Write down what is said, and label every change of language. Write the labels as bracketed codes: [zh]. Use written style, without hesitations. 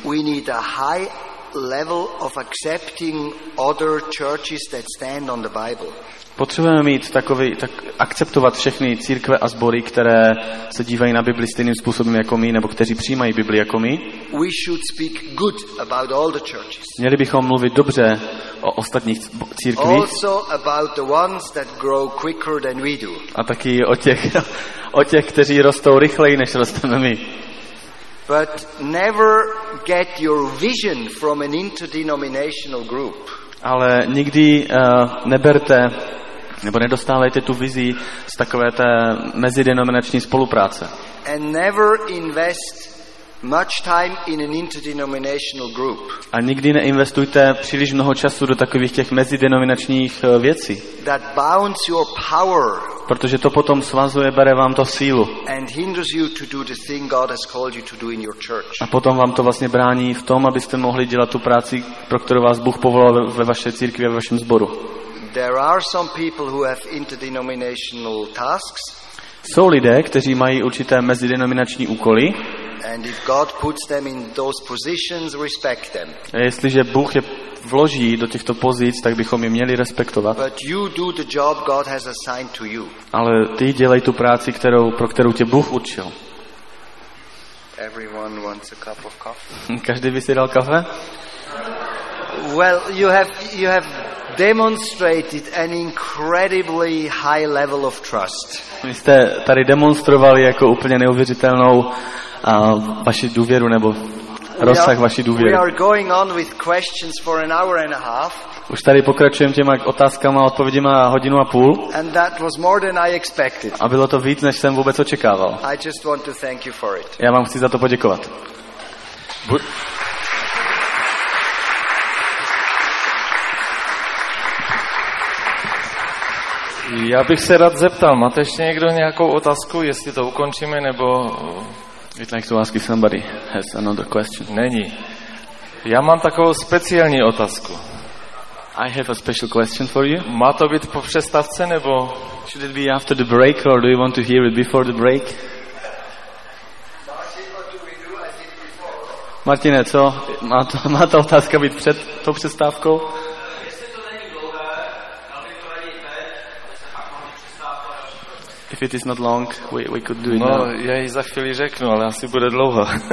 [en] We need a high level of accepting other churches that stand on the Bible. [cs] Potřebujeme mít akceptovat všechny církve a sbory, které se dívají na Bibli stejným způsobem jako my, nebo kteří přijímají Bibli jako my. [en] We should speak good about all the churches. [cs] Měli bychom mluvit dobře o ostatních církvích. [en] Also about the ones that grow quicker than we do. [cs] A taky o těch, kteří rostou rychleji, než rosteme my. [en] But never get your vision from an interdenominational group. [cs] Ale nikdy neberte nebo nedostávejte tu vizi z takové té mezidenominační spolupráce. [en] And never invest Much time in an interdenominational group. [cs] A nikdy neinvestujte příliš mnoho času do takových těch mezidenominačních věcí. [en] That bounds your power. [cs] Protože to potom svazuje, bere vám to sílu. [en] And hinders you to do the thing God has called you to do in your church. [cs] A potom vám to vlastně brání v tom, abyste mohli dělat tu práci, pro kterou vás Bůh povolal ve vaše církvi, ve vašem sboru. [en] There are some people who have interdenominational tasks. [cs] Jsou lidé, kteří mají určité mezidenominační úkoly. [en] And if God puts them in those positions, respect them. [cs] A jestliže Bůh je vloží do těchto pozic, tak bychom je měli respektovat. [en] But you do the job God has assigned to you. [cs] Ale ty dělej tu práci, kterou, pro kterou tě Bůh určil. [en] Everyone wants a cup of coffee. [cs] Každý by si dal kafe? [en] Well, you have demonstrated an incredibly high level of trust. [cs] Vy jste tady demonstrovali jako úplně neuvěřitelnou vaši důvěru nebo rozsah vaší důvěry. [en] We are going on with questions for an hour and a half. [cs] Už tady pokračujeme těma otázkama a odpověděma hodinu a půl. [en] And that was more than I expected. [cs] A bylo to víc, než jsem vůbec očekával. [en] I just want to thank you for it. [cs] Já vám chci za to poděkovat. Já bych se rád zeptal, máte ještě někdo nějakou otázku, jestli to ukončíme, nebo... [en] You'd like to ask if somebody has another question. [cs] Není. Já mám takovou speciální otázku. [en] I have a special question for you. [cs] Má to být po přestávce, nebo... [en] Should it be after the break, or do you want to hear it before the break? [cs] Martine, co? Má ta otázka být před tou přestávkou? [en] If it is not long, we could do it now. [cs] Já ji za chvíli řeknu, ale asi bude dlouho.